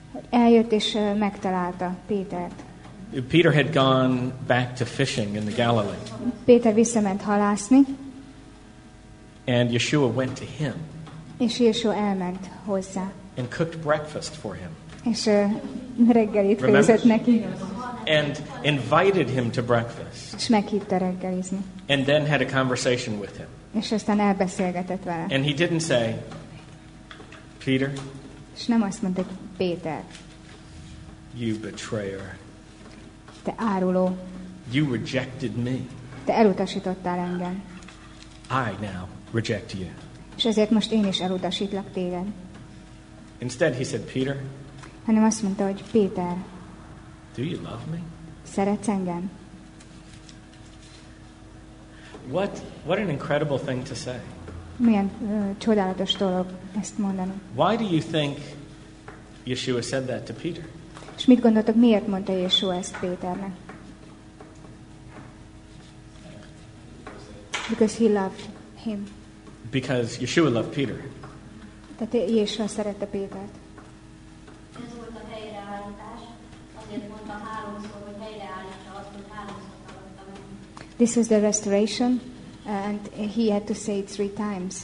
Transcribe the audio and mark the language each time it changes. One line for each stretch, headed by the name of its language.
Hungarian: Eljött és megtalálta Pétert.
English: Peter had gone back to fishing in the Galilee.
Hungarian: Péter visszament halászni.
English: And Yeshua went to him.
Hungarian: És Yeshua elment hozzá.
English: And cooked breakfast for him.
Hungarian: És reggelit főzött neki.
English: And invited him to breakfast.
Hungarian: És meghívta reggelizni.
English: And then had a conversation with him.
Hungarian: És aztán elbeszélgetett vele.
English: And he didn't say, Peter.
Hungarian: És nem azt mondta, Péter.
English: You betrayer.
Hungarian: Te áruló.
English: You rejected me.
Hungarian: Te elutasítottál engem.
English: I now reject you.
Hungarian: És ezért most én is elutasítlak téged.
English: Instead, he said, Peter.
Hungarian: Hanem azt mondta, hogy Péter.
English: Do you love me?
Hungarian: Szeretsz engem?
English: What an incredible thing to say.
Hungarian: Milyen csodálatos dolog ezt mondani.
English: Why do you think Yeshua said that to Peter?
Hungarian: És mit gondoltok, miért mondta Yeshua ezt Péternek?
English: Because he loved him. Because Yeshua loved Peter.
Hungarian: Tehát Yeshua szerette Pétert. Ez volt a helyreállítás. Azért mondta háromszor, hogy helyreállítsa azt, hogy háromszor találta meg.
English: This was the restoration. And he had to say it three times.